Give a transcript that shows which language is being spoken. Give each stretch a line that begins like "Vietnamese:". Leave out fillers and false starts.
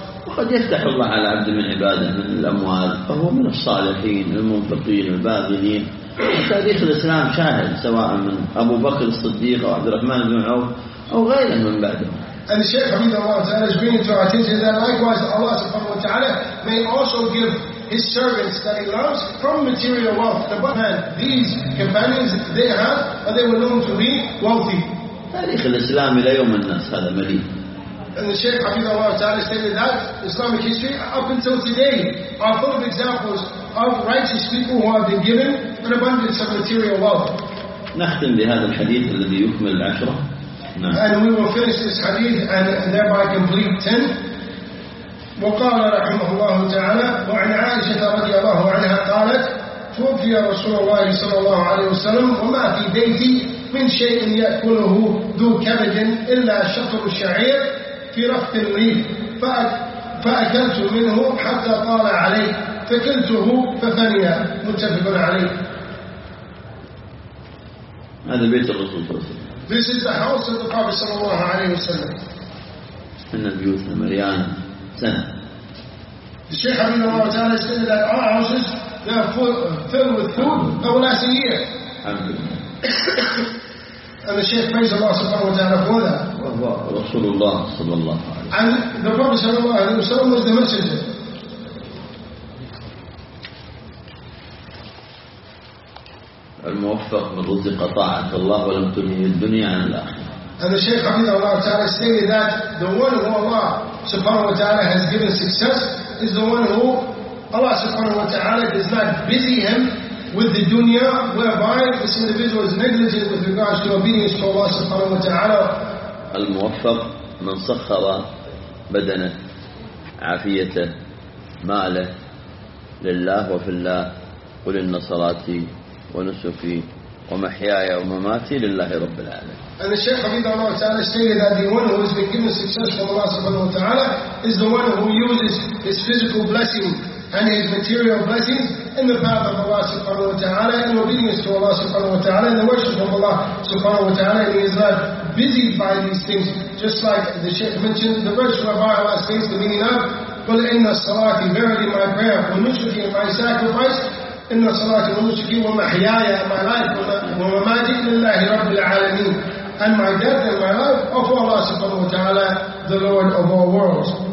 Arabic: وقد يفتح الله على عبد من عباده من الأموال فهو من الصالحين المنفقين الباذلين. تاريخ الإسلام شاهد سواء من أبو بكر الصديق أو عبد الرحمن بن عوف أو غيره من بعده.
English: And the Shaykh Hamid Allah Ta'ala is bringing to our attention that likewise Allah subhanahu wa ta'ala may also give his servants that he loves from material wealth. The one hand, these companions they have, they were known to be wealthy.
Arabic: تاريخ الإسلام إلى يوم الناس هذا مليء.
English: And the Shaykh Hafidhullah Ta'ala stated that Islamic history up until today are full of examples of righteous people who have been given an abundance of material wealth.
Arabic: نختم بهذا الحديث الذي يكمل العشرة.
English: And we will finish this hadith and thereby complete 10.
Arabic: وقال رحمه الله تعالى وعن عائشة رضي الله عنها قالت توفي رسول الله صلى الله عليه وسلم وما في بيتي من شيء يأكله ذو كبد إلا شطر الشعير في رفق الريف فأكلت منه حتى طال عليه فكلته ففني. متفق عليه. هذا بيت الرسول صلى الله عليه وسلم.
English: This is the house of the Prophet صلى الله عليه وسلم.
Arabic: إن البيوت مليان سنة.
English: The Shaykh Abu Dawud said that our houses they are filled with food that will last a year. And the Shaykh praised Allah subhanahu wa ta'ala for that.
Arabic: رسول الله صلى الله عليه وسلم.
English: And the Prophet صلى الله عليه وسلم was the messenger.
Arabic: الموفق من رزق طاعة الله ولم تنهي الدنيا عن الآخرة.
English: And the Shaykh Hafidhullah Ta'ala stated that the one who Allah subhanahu wa ta'ala has given success is the one who Allah subhanahu wa ta'ala does not busy him with the dunya, whereby this individual is negligent with regards to obedience to Allah subhanahu wa ta'ala.
Arabic: الموفق من سخر بدنه عافيته ماله لله وفي الله قل إن صلاتي ونسكي ومحياي ومماتي لله رب العالمين.
English: And the Shaykh Hafidhullah Ta'ala stated that the one who has been given success from Allah subhanahu wa ta'ala is the one who uses his physical blessing and his material blessings in the path of Allah subhanahu wa ta'ala, in obedience to Allah subhanahu wa ta'ala, in the worship of Allah subhanahu wa ta'ala, and he is not busy by these things, just like the Shaykh mentioned the verse of Allah states the meaning of
Arabic: قل إن صلاتي
English: verily my prayer
Arabic: ونسكي
English: and my sacrifice
Arabic: إن صلاتي ونسكي ومحياي
English: my life
Arabic: ومماتي لله رب العالمين
English: and my death and my life of Allah subhanahu wa ta'ala the Lord of all worlds.